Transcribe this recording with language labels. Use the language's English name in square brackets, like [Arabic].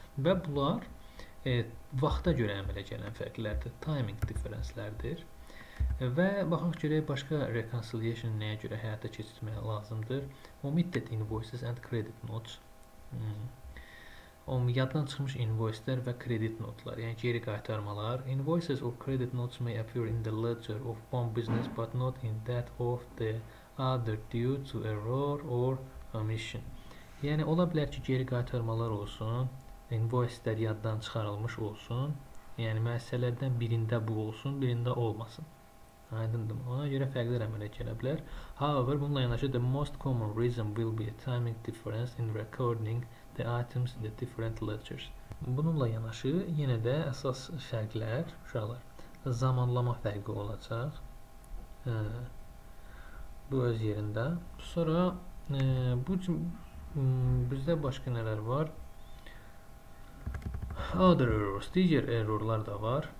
[Azerbaijani] Və bunlar vaxta görə əmələ gələn fərqlərdir, timing differenslərdir. Və baxaq görək, başqa reconciliation nəyə görə həyata keçirmək lazımdır? [English] Omitted invoices and credit notes. [Azerbaijani] Yaddan çıxmış invoice-lər və credit notlar, yəni geri qaytarmalar. [English] Invoices or credit notes may appear in the ledger of one business, but not in that of the other due to error or omission. [Azerbaijani] Yəni, ola bilər ki, geri qaytarmalar olsun, invoice-lər yaddan çıxarılmış olsun, yəni müəssisələrdən birində bu olsun, birində olmasın. Aydındım. Ona görə fərqli əmələ gələ bilər. [English] However, [Azerbaijani] bununla yanaşı, [English] the most common reason will be a timing difference in recording the items in the different ledgers. [Azerbaijani] Bununla yanaşı, yenə də əsas fərqlər, uşaqlar, zamanlama fərqi olacaq. Bu öz yerində. Sonra, bu bizdə başqa nələr var? errors. Digər errorlar da var.